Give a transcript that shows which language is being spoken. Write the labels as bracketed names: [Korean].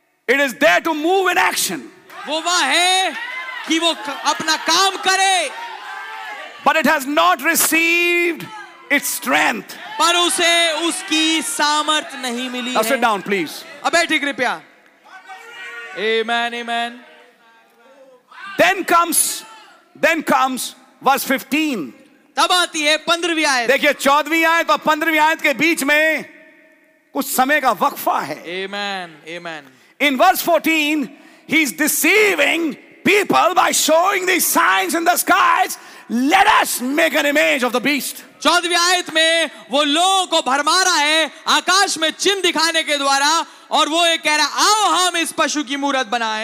[English] It is there to move in action. [Hindi] वो वहां है कि वो अपना काम करे. [English] But it has not received its strength. [Hindi] पर उसे उसकी सामर्थ नहीं मिली. [English] Sit down, please. [Hindi] अब बैठिए कृपया. Amen, amen. [English] Then comes verse 15. [Hindi] तब आती है पंद्रहवीं आयत. देखिए चौदहवीं आयत और पंद्रहवीं आयत के बीच में कुछ समय का वक्फा है. [English] Amen, amen. In verse 14, he's deceiving people by showing these signs in the skies. Let us make an image of the beast. [Hindi] चौदहवीं आयत में वो लोगों को भरमा रहा है आकाश में चिन्ह दिखाने के द्वारा, और वो ये कह रहा है आओ हम इस पशु की मूरत बनाएं.